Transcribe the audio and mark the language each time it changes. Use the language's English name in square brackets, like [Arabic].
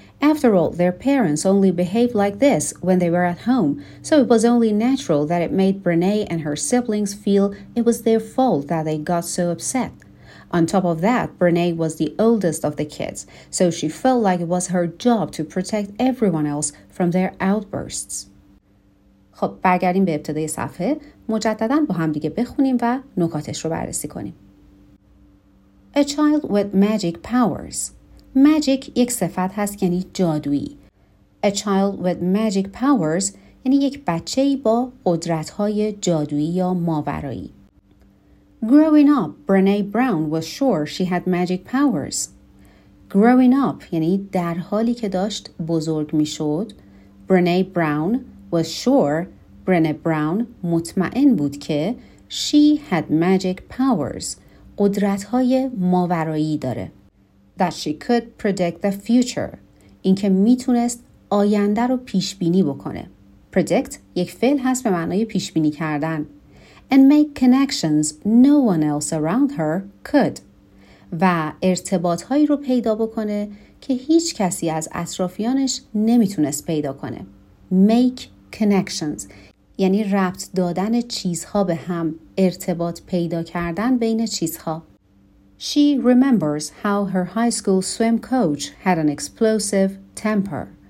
[English] After all, their parents only behaved like this when they were at home, so it was only natural that it made Brené and her siblings feel it was their fault that they got so upset. On top of that, Brené was the oldest of the kids, so she felt like it was her job to protect everyone else from their outbursts. [Persian] خب برگردیم به ابتدای صفحه، مجدداً با هم دیگه بخونیم و نکاتش رو بررسی کنیم. [English] A child with magic powers. [Persian] Magic یک صفت هست یعنی جادویی. [English] A child with magic powers [Persian] یعنی یک بچه با قدرت‌های جادویی یا ماورایی. [English] Growing up, Brené Brown was sure she had magic powers. Growing up [Persian] یعنی در حالی که داشت بزرگ می‌شد، [English] Brené Brown was sure [Persian] Brené Brown مطمئن بود که [English] she had magic powers. [Persian] قدرت‌های ماورایی داره. [English] That she could predict the future. [Persian] این که میتونست آینده رو پیش بینی بکنه. Predict یک فعل هست به معنای پیش بینی کردن. [English] And make connections no one else around her could. [Persian] و ارتباط‌هایی رو پیدا بکنه که هیچ کسی از اطرافیانش نمیتونست پیدا کنه. [English] Make connections [Persian] یعنی ربط دادن چیزها به هم، ارتباط پیدا کردن بین چیزها. [English] She remembers how her high school swim coach had an explosive temper.